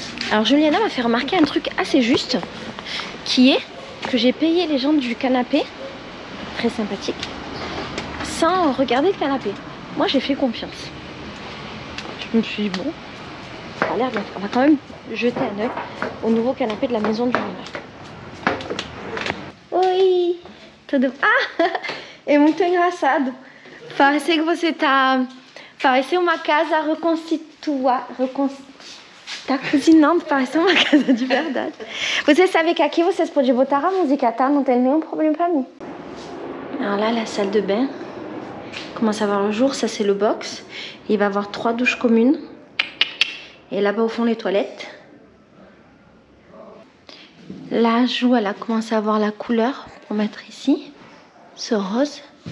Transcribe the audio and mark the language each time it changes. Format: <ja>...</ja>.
<fr>Alors Juliana m'a fait remarquer un truc assez juste, qui est que j'ai payé les gens du canapé. Très sympathique, sans regarder le canapé. Moi j'ai fait confiance. Je me suis dit, bon, ça a l'air bien. On va quand même jeter un œil au nouveau canapé de la maison du meneur.</fr> <pt>Oui, Ah, et muito engraçado. Parece que você tá. Parece uma casa reconstituída. Tá cozinhando, parece uma casa de verdade. Você sabe que aqui vocês podem botar a música, tá? Não tem nenhum problema pra mim.</pt> <fr>Alors là, la salle de bain commence à voir le jour, ça c'est le box. Il va y avoir 3 douches communes. Et là-bas au fond, les toilettes. La joue, elle a commencé à voir la couleur pour mettre ici, ce rose.</fr>